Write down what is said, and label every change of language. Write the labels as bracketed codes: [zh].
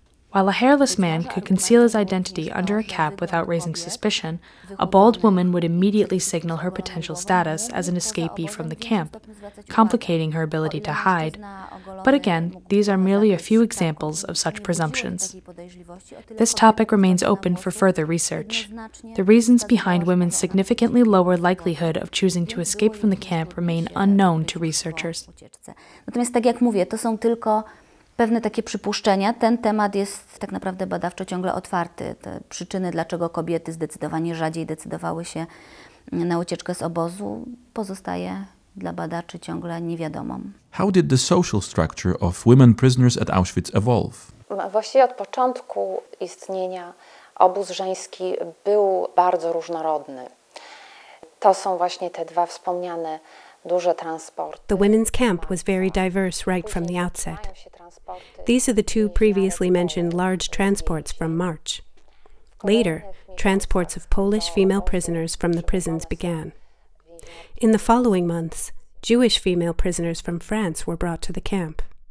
[en] While a hairless man could conceal his identity under a cap without raising suspicion, a bald woman would immediately signal her potential status as an escapee from the camp, complicating her ability to hide. But again, these are merely a few examples of such presumptions. This topic remains open for further research. The reasons behind women's significantly lower likelihood of choosing to escape from the camp remain unknown to researchers. [pl] Natomiast tak jak mówię, to są tylko pewne takie przypuszczenia, ten temat jest tak naprawdę badawczo ciągle otwarty. Te przyczyny, dlaczego kobiety zdecydowanie rzadziej decydowały się na ucieczkę z obozu, pozostaje dla badaczy ciągle niewiadomą. [en] How did the social structure of women prisoners at Auschwitz evolve? [pl] Właściwie od początku istnienia obóz żeński był bardzo różnorodny. To są właśnie te dwa wspomniane duże transporty. [en] The women's camp was very diverse right from the outset. These are the two previously mentioned large transports from March. Later, transports of Polish female prisoners from the prisons began. In the following months, Jewish female prisoners from France were brought to the camp.